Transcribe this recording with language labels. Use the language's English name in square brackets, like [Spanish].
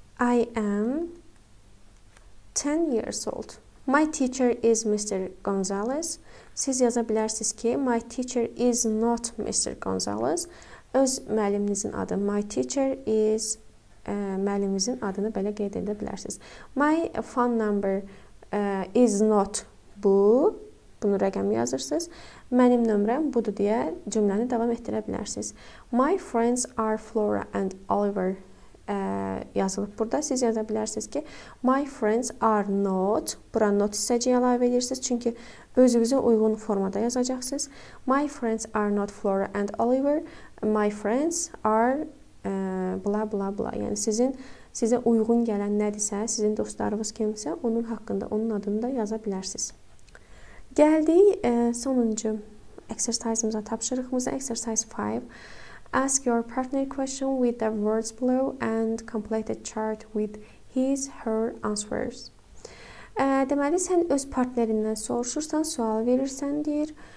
[English] I am 10 years old. My teacher is Mr. Gonzalez. [Azerbaijani] Siz yaza bilərsiniz ki, [English] my teacher is not Mr. Gonzalez. [Azerbaijani] Öz müəlliminizin adı [English] my teacher is, [Azerbaijani] müəlliminizin adını belə qeyd edə bilərsiniz. [English] My phone number is not bu. [Azerbaijani] Bunu rəqəmi yazırsınız. Mənim nömrəm budur deyə cümləni davam etdirə bilərsiniz. [English] My friends are Flora and Oliver [Azerbaijani] yazılıb burada. Siz yaza bilərsiniz ki, [English] my friends are not. [Azerbaijani] Bura not hissəciyi əlavə edirsiniz. Çünki özünüzə uyğun formada yazacaqsınız. [English] My friends are not Flora and Oliver. My friends are bla bla bla. [Azerbaijani] Yəni sizin sizə uyğun gələn nədirsə, sizin dostlarınız kimsə, onun haqqında, onun adını da yaza bilərsiniz. Gəldik sonuncu exercise-ımıza, tapşırıqımıza. Exercise 5. [English] Ask your partner question with the words below and complete the chart with his, her answers. [Azerbaijani] Deməli, sən öz partnerindən soruşursan, sual verirsən, deyir.